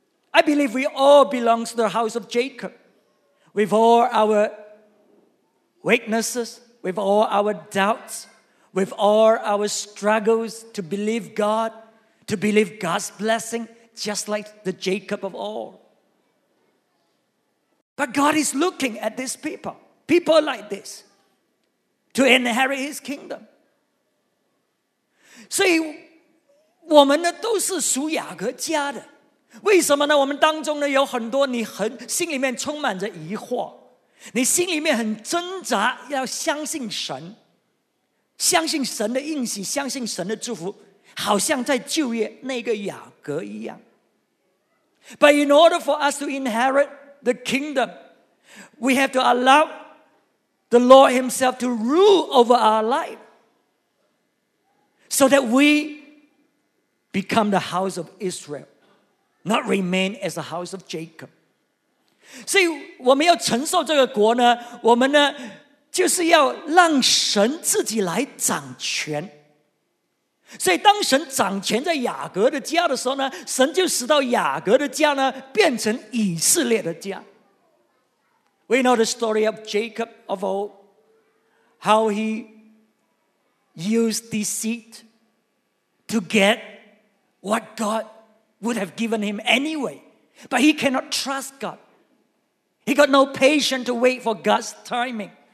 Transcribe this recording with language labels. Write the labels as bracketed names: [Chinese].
[English] I believe we all belong to the house of Jacob, with all our weaknesses, with all our doubts, with all our struggles to believe God, to believe God's blessing, just like the Jacob of all. But God is looking at these people, people like this, to inherit his kingdom. [Chinese] 所以我们呢都是属雅各家的，为什么呢？我们当中呢有很多你很心里面充满着疑惑，你心里面很挣扎，要相信神，相信神的应许，相信神的祝福，好像在旧约那个雅各一样。 [English] But in order for us to inherit the kingdom, we have to allow the Lord himself to rule over our life so that we become the house of Israel, not remain as the house of Jacob. [Chinese] 所以我们要承受这个国呢，我们呢就是要让神自己来掌权。所以当神掌权在雅各的家的时候呢，神就使到雅各的家呢变成以色列的家。 [English] We know the story of Jacob of old, how he used deceit to get what God would have given him anyway, but he cannot trust God. He got no patience to wait for God's timing.